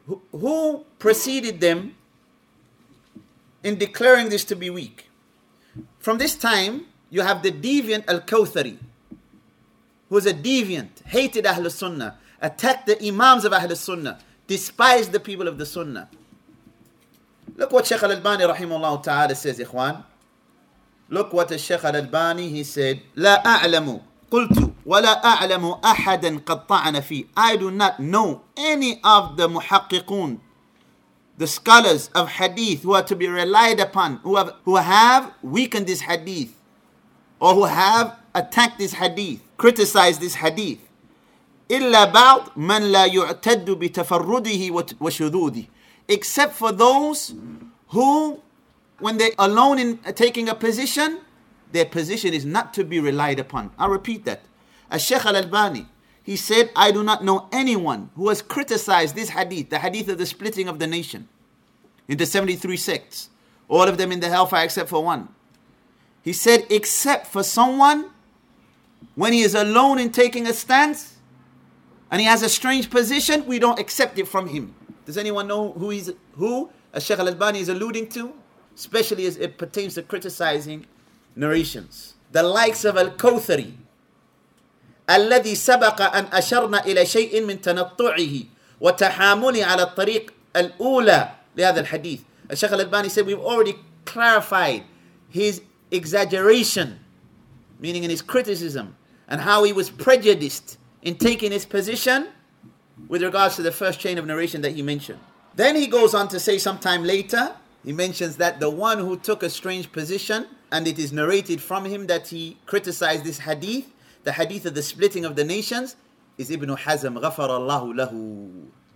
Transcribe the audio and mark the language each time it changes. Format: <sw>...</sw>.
<en>Who preceded them in declaring this to be weak? From this time, you have the deviant Al-Kawthari, who is a deviant, hated Ahlul Sunnah, attacked the Imams of Ahlul Sunnah, despised the people of the Sunnah. Look what Shaykh Al-Albani rahimahullah ta'ala says, ikhwan. Look what Shaykh Al-Albani, he said, لا أعلم قلت ولا أعلم أحدا قد طعن في. I do not know any of the muhaqqiqoon, the scholars of hadith who are to be relied upon, who have weakened this hadith, or who have attacked this hadith, criticized this hadith,</en> <ar>illa ba'd man la yu'taddu bi tafarrudihi wa shududihi,</ar> <en>except for those who, when they're alone in taking a position, their position is not to be relied upon. I repeat that. Al-Shaykh al-Albani, he said, I do not know anyone who has criticized this hadith, the hadith of the splitting of the nation, into 73 sects, all of them in the hellfire except for one. He said, except for someone, when he is alone in taking a stance, and he has a strange position, we don't accept it from him. Does anyone know who Al-Shaykh al-Albani is alluding to? Especially as it pertains to criticizing narrations. The likes of Al-Kawthari,</en> <ar>الذي سبق أن أشرنا إلى شيء من تنطعه وتحامله على الطريق الأولى لهذا الحديث.</ar> <en>الشيخ الألباني said, we've already clarified his exaggeration, meaning in his criticism, and how he was prejudiced in taking his position with regards to the first chain of narration that he mentioned. Then he goes on to say sometime later, he mentions that the one who took a strange position, and it is narrated from him that he criticized this hadith, the hadith of the splitting of the nations, is Ibn Hazm,</en> <ar>ghafara Allahu lahu.</ar>